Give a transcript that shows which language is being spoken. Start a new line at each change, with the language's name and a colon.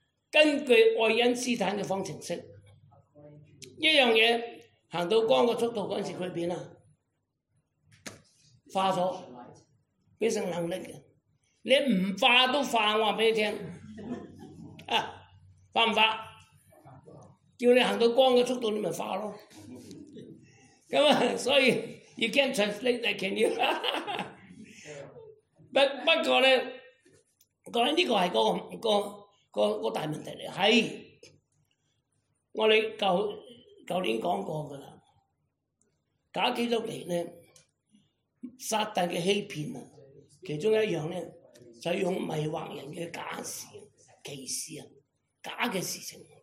Cantonese: 根據愛因斯坦的方程式，一樣嘢行到光的速度嗰時，佢變啦，化咗，變成能力嘅。你唔化都化，我話俾你聽，啊，化唔化？叫你行到光的速度，你咪化咯。咁啊，所以
English: you can't translate that, can you?
Cantonese: 不過咧，講緊呢個係個大問題嚟，係我哋舊年講過噶啦。假基督嚟咧，撒旦嘅欺騙啊，其中一樣咧就用迷惑人嘅假事、歧視啊、假嘅事情。